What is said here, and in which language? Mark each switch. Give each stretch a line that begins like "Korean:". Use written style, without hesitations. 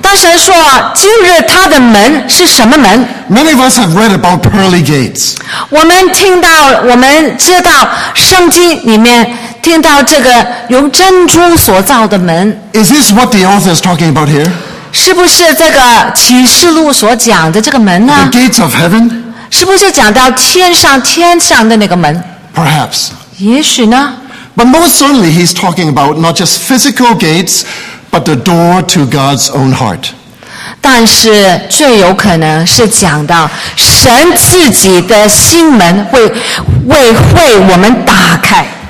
Chinese: 但神说，进入他的门是什么门？
English: Many of us have read about pearly gates.
Chinese: 我们听到，我们知道圣经里面听到这个由珍珠所造的门。
English: Is this what the author is talking about here?
Chinese: 是不是这个启示录所讲的这个门呢？
English: The gates of heaven?
Chinese: 是不是讲到天上的那个门？
English: Perhaps.
Chinese: 也许呢？
English: But most certainly he's talking about not just physical gates, but the door to God's own heart.
Chinese: 但是最有可能是讲到神自己的心门为我们打开。